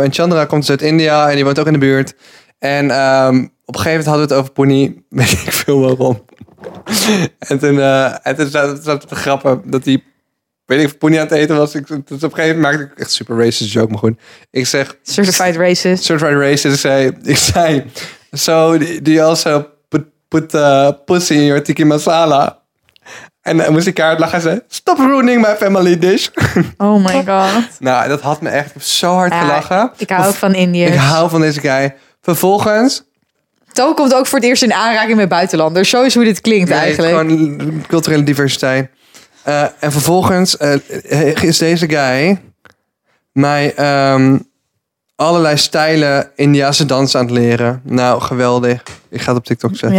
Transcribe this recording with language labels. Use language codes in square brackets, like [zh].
[nl] En Chandra komt dus uit India en die woont ook in de buurt. En op een gegeven moment hadden we het over Pony. Weet ik veel waarom. En toen zat het grappen dat die... Weet ik of Poenie aan het eten was. Dus op een gegeven moment maakte ik echt [en] super racist joke, [nl] maar goed. Ik zeg... [en] Certified racist. Certified racist. [nl] Ik zei... [en] So, do you also put pussy in your tiki masala? [nl] En dan moest ik haar lachen en zei... [en] Stop ruining my family dish. Oh my god. [nl] Nou, dat had me echt zo hard gelachen. Ik hou ook van Indiërs. Ik hou van deze guy. Vervolgens... To komt ook voor het eerst in aanraking met buitenlanders. Zo is hoe dit klinkt eigenlijk. Gewoon culturele diversiteit. En vervolgens is deze guy mij allerlei stijlen Indiase dansen aan het leren. Nou, geweldig. Ik ga het op TikTok zetten.